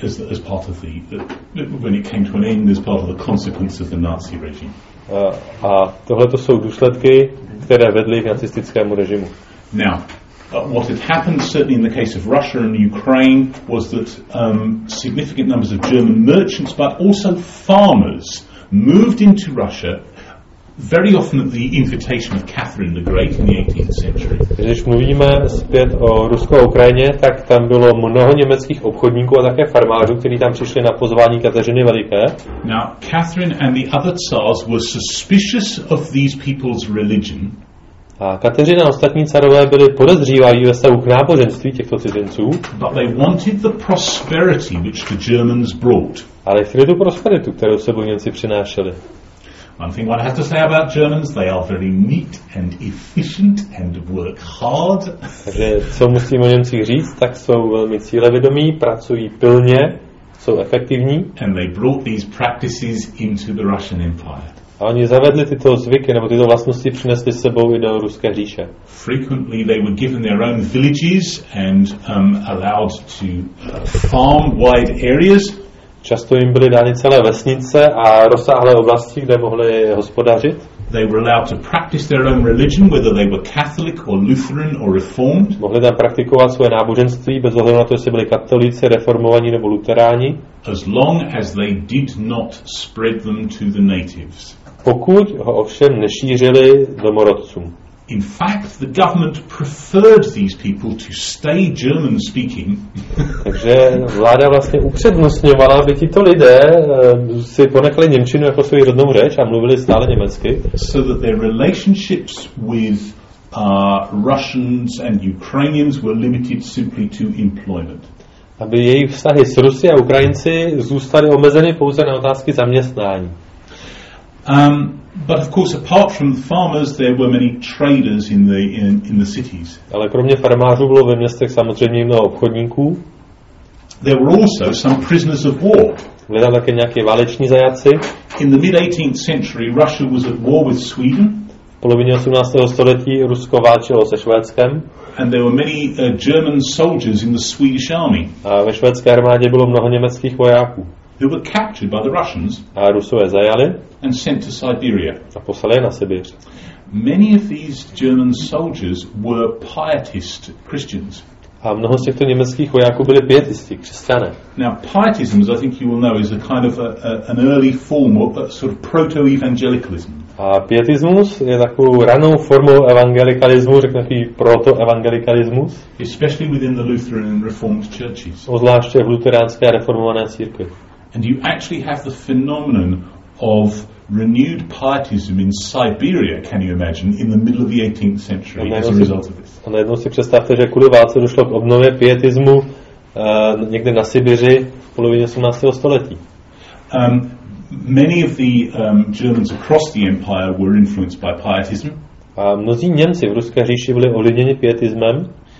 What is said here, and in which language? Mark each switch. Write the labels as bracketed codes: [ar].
[en] As part of when it came to an end, as part of the consequence of the Nazi regime. [cs] A tohle to jsou důsledky, které vedly k nacistickému režimu. [en] Now, what had happened certainly in the case of Russia and Ukraine was that significant numbers of German merchants, but also farmers, moved into Russia very often at the invitation of Catherine the Great in the 18th century. [cs] Když mluvíme zpět o Rusko a Ukrajině, tak tam bylo mnoho německých obchodníků a také farmářů, kteří tam přišli na pozvání Kateřiny Veliké. [en] Now, Catherine and the other tsars were suspicious of these people's religion. [cs] A Kateřina a ostatní carové byli podezřívaví ve stavu k náboženství těchto cizinců. [en] But they wanted the prosperity which the Germans brought. [cs] Ale chtěli tu prosperitu, kterou sebou Němci přinášeli. [en] One thing one has to say about Germans, they are very neat and efficient and work hard. [cs] Takže co musím o Němcích říct, tak jsou velmi cílevědomí, pracují pilně, jsou efektivní. [en] And they brought these practices into the Russian Empire. [cs] A oni zavedli tyto zvyky nebo tyto vlastnosti přinesli sebou i do Ruské říše. [en] Frequently they were given their own villages and allowed to farm wide areas. [cs] Často jim byly dány celé vesnice a rozsáhlé oblasti, kde mohli hospodařit. [en] They were allowed to practice their own religion, whether they were Catholic or Lutheran or Reformed. [cs] Mohli tam praktikovat svoje náboženství bez ohledu na to, jestli byli katolíci, reformovaní nebo luteráni. [en] As long as they did not spread them to the natives. [cs] Pokud ho ovšem nešířili domorodcům. [en] In fact, the government preferred these people to stay German speaking. [cs] Takže vláda vlastně upřednostňovala, aby tito lidé si ponechali němčinu jako svou rodnou řeč a mluvili stále německy. [en] So that their relationships with Russians and Ukrainians were limited simply to employment. [cs] Aby jejich vztahy s Rusy a Ukrajinci zůstaly omezeny pouze na otázky zaměstnání. [en] But of course, apart from the farmers, there were many traders in the cities. [cs] Ale kromě farmářů bylo ve městech samozřejmě mnoho obchodníků. [en] There were also some prisoners of war. [cs] Byli tam také nějaké váleční zajatci. [en] In the mid 18th century, Russia was at war with Sweden. [cs] V polovině 18. století Rusko válčilo se Švédskem. [en] And there were many German soldiers in the Swedish army. [cs] A ve švédské armádě bylo mnoho německých vojáků. [en] Who were captured by the Russians? [cs] A Rusové zajali. [en] And sent to Siberia. [cs] A poslali na Sibir. [en] Many of these German soldiers were pietist Christians. [cs] A mnoho z těchto německých vojáků byli pietisti, křesťané. [en] Now, pietism, as I think you will know, is a kind of an early form of a sort of proto-evangelicalism. [cs] A pietismus je takovou ranou formou evangelikalismu, řekněme tý proto-evangelikalismus. [en] Especially within the Lutheran and Reformed churches. [cs] Ozvláště v luteránské a reformované církvi. [en] And you actually have the phenomenon of renewed pietism in Siberia, can you imagine, in the middle of the 18th century as a result of this. [cs] A najednou si představte, že kvůli válce došlo k obnově pietismu někde na Sibiři v polovině 18. století. [en] Many of the Germans across the empire were influenced by pietism. [cs] A mnozí Němci v Ruské říši byli ovlivněni pietismem.